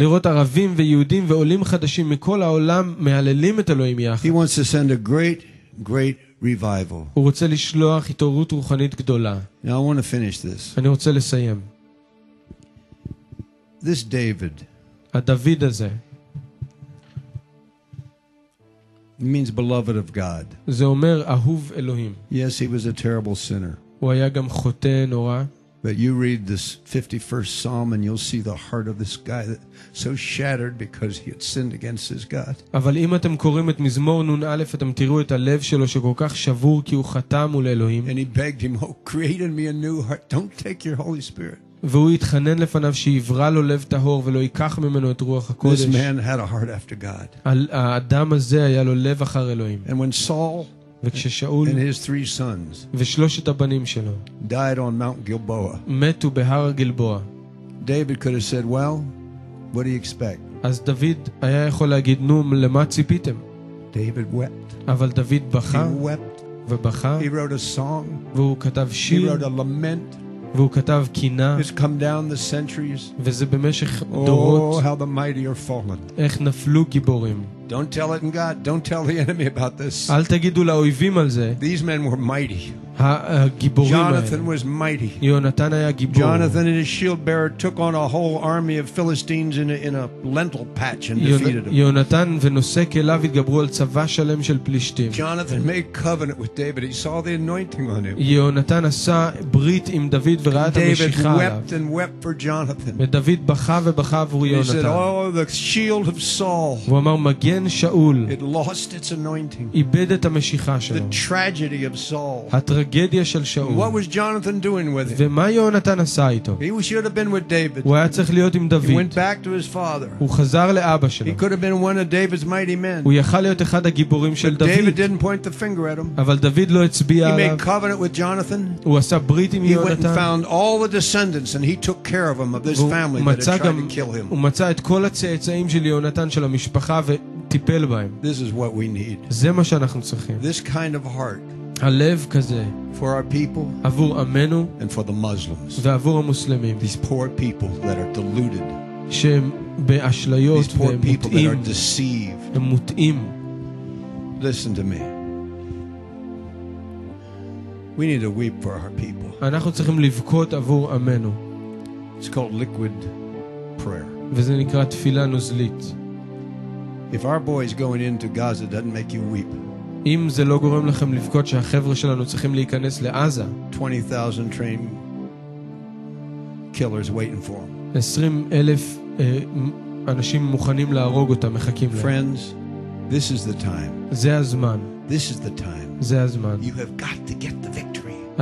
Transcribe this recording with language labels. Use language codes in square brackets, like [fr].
[he] לראות ערבים ויהודים ועולים חדשים מכל העולם מהללים את אלוהים יחד. [en] He wants to send a great revival. [he] הוא רוצה לשלוח התעוררות רוחנית גדולה. [en] Now I want to finish this. [he] אני רוצה לסיים. [en] This David. [he] הדוד הזה. [en] It means beloved of God. [he] זה אומר אהוב אלוהים. [en] Yes, he was a terrible sinner. [he] הוא היה גם חוטא נורא. [en] But you read this 51st psalm and you'll see the heart of this guy that so shattered because he had sinned against his God. [he] אבל אם אתם קוראים את מזמור נון א', אתם תראו את הלב שלו שכל כך שבור כי הוא חטא מול אלוהים. [en] And he begged him, "Oh, create in me a new heart. Don't take your Holy Spirit." [he] והוא התחנן לפניו שיברא לו לב טהור ולא ייקח ממנו את רוח הקודש. [en] This man had a heart after God. [he] האדם הזה היה לו לב אחר אלוהים. [en] And when Saul and his three sons [he] ושלושת הבנים שלו [en] died on Mount Gilboa. [he] מתו בהר גלבוע. [en] David could have said, "Well, what do you expect?" [he] אז דוד היה יכול להגיד, "נו, למה ציפיתם?" [en] David wept. [he] אבל דוד בכה. [en] He wept. [he] ובכה. [en] He wrote a song. [he] והוא כתב שיר. [en] He wrote a lament. [he] והוא כתב קינה. [en] It's come down the centuries. [he] וזה במשך דורות. [en] Oh, how the mighty are fallen. [he] איך נפלו גיבורים. [en] Don't tell it in God. Don't tell the enemy about this. [he] אל תגידו לאויבים על זה. [en] These men were mighty. [he] הגיבורים האלה. [en] Jonathan was mighty. [he] יונתן היה גיבור. [en] Jonathan and his shield bearer took on a whole army of Philistines in a lentil patch and defeated them. [he] יונתן ונושא כליו התגברו על צבא שלם של פלישתים. [en] Jonathan made covenant with David. He saw the anointing on him. [he] יונתן עשה ברית עם דוד וראה את המשיכה עליו. [en] David wept and wept for Jonathan. [he] ודוד בכה ובכה עבור יונתן. [en] He said, "Oh, the shield of Saul." [he] הוא אמר, מגן שאול. [en] It lost its anointing. [he] איבד את המשיכה שלו. [en] The tragedy of Saul. [he] הטרגדיה של שאול. [en] What was Jonathan doing with him? [he] ומה יונתן עשה איתו? [en] He should have been with David. [he] הוא היה צריך להיות עם דוד. [en] He went back to his father. [he] הוא חזר לאבא שלו. [en] He could have been one of David's mighty men. [he] הוא יכל להיות אחד הגיבורים של דוד. [en] David didn't point the finger at him. [he] אבל דוד לא הצביע עליו. [en] He made covenant with Jonathan. [he] הוא עשה ברית עם יונתן. [en] He went and found all the descendants and he took care of them, of this family that had tried to kill him. [he] הוא מצא את כל הצאצאים של יונתן של המשפחה וטיפל בהם. [en] This is what we need. [he] זה מה שאנחנו צריכים. [en] This kind of heart. [he] הלב כזה [en] for our people [he] עבור עמנו [en] and for the Muslims [he] ועבור המוסלמים. [en] These poor people that are deluded [he] שהם באשליות ומוטעים. [en] These poor people that are deceived [he] הם מוטעים. [en] Listen to me. We need to weep for our people. [he] אנחנו צריכים לבכות עבור עמנו. [en] It's called liquid prayer. [he] וזה נקרא תפילה נוזלית. [en] If our boys going into Gaza doesn't make you weep, [he] אם זה לא גורם לכם לבכות שהחבר'ה שלנו צריכים להיכנס לעזה, [en] 20,000 train killers waiting for them. [he] 20,000 אנשים מוכנים להרוג אותם, מחכים להם. [en] Friends, this is the time. [he] זה הזמן. [en] This is the time. [he] זה הזמן. [en] You have got to get the victory.